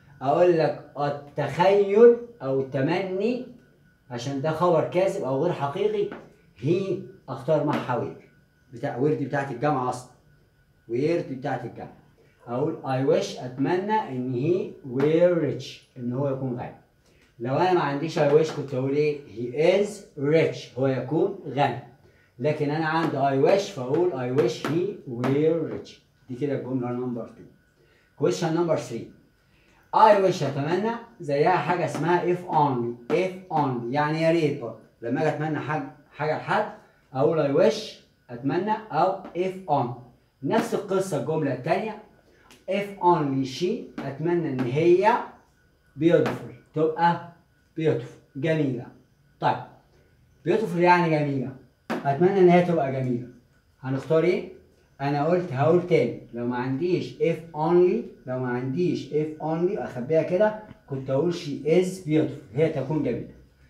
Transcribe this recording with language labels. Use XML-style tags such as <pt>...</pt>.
<ar>اقول لك التخيل او التمني عشان ده خبر كاذب او غير حقيقي، هي اختار معها وير، بتاع وير دي بتاعت الجامعه اصلا، وير دي بتاعت الجامعه. أقول</ar> <en>I wish،</en> <ar>أتمنى إن</ar> <en>he were rich،</en> <ar>إن هو يكون غني. لو أنا ما عنديش</ar> <en>I wish</en> <ar>كنت أقول إيه؟</ar> <en>he is rich،</en> <ar>هو يكون غني. لكن أنا عندي</ar> <en>I wish فأقول I wish he were rich.</en> <ar>دي كده الجملة نمبر 2.</ar> <en>question number 3، I wish</en> <ar>أتمنى زيها حاجة اسمها</ar> <en>if only، if only</en> <ar>يعني يا ريت. لما أجي أتمنى حاجة لحد أقول</ar> <en>I wish</en> <ar>أتمنى أو</ar> <en>if only.</en> <ar>نفس القصة الجملة التانية،</ar> <en>if only she،</en> <ar>اتمنى ان هي beautiful، تبقى beautiful جميلة. طيب beautiful يعني جميلة، اتمنى ان هي تبقى جميلة، هنختار ايه؟ انا قلت هقول تاني، لو ما عنديش if only، لو ما عنديش if only اخبيها كده، كنت اقول</ar> <en>she is beautiful،</en> <ar>هي تكون جميلة.</ar>